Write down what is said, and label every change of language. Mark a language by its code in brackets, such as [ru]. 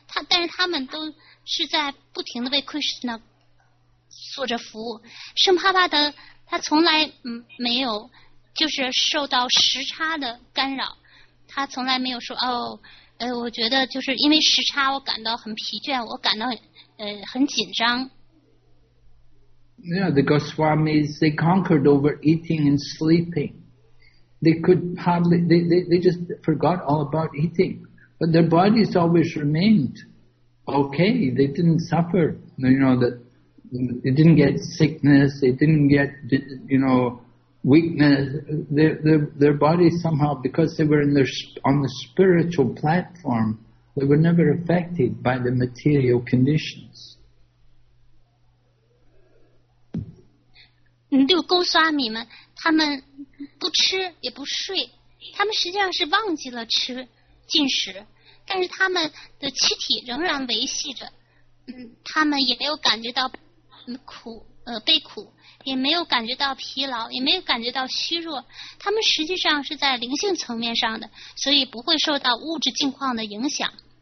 [zh] 但是他们都是在不停地为 Krishna 做着服务。圣帕帕的他从来没有就是受到时差的干扰，他从来没有说我觉得就是因为时差我感到很疲倦，我感到很紧张。 [en] Yeah, the Goswamis, they conquered over eating and sleeping. They could hardly, they just forgot all about eating. But their bodies always remained okay. They didn't suffer. You know, they didn't get sickness. They didn't get, you know, weakness. Their bodies somehow, because they were on the spiritual platform, they were never affected by the material conditions. [zh] 六勾沙弥们，他们不吃也不睡，他们实际上是忘记了吃进食。但是他们的躯体仍然维系着，他们也没有感觉到苦，悲苦，也没有感觉到疲劳，也没有感觉到虚弱，他们实际上是在灵性层面上的，所以不会受到物质境况的影响。